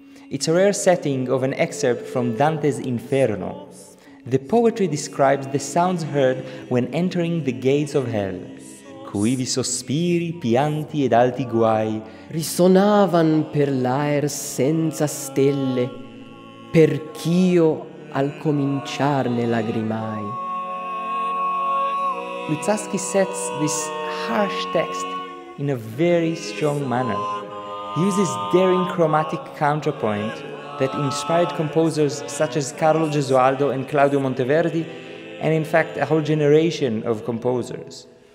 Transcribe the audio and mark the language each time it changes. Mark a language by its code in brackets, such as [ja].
[en] It's a rare setting of an excerpt from Dante's Inferno. The poetry describes the sounds heard when entering the gates of hell. [it] Quivi sospiri, pianti ed alti guai risonavan per l'aer senza stelle, perch'io al cominciarne lagrimai. [en] Luzzaschi sets this harsh text in a very strong manner. He uses daring chromatic counterpoint that inspired composers such as Carlo Gesualdo and Claudio Monteverdi, and in fact a whole generation of composers.